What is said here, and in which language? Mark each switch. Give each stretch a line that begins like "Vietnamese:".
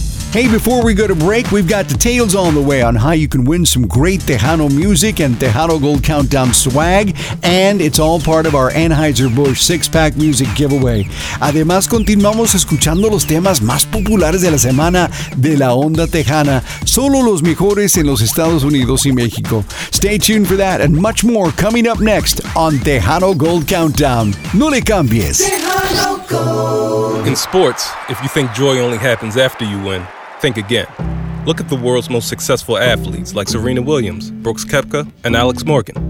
English: Hey, before we go to break, we've got details on the way on how you can win some great Tejano music and Tejano Gold Countdown swag, and it's all part of our Anheuser-Busch six-pack music giveaway.
Spanish: Además, continuamos escuchando los temas más populares de la semana de la onda tejana, solo los mejores en los Estados Unidos y México.
English: Stay tuned for that and much more coming up next on Tejano Gold Countdown.
Spanish: No le cambies.
English: In sports, if you think joy only happens after you win, think again. Look at the world's most successful athletes like Serena Williams, Brooks Koepka, and Alex Morgan.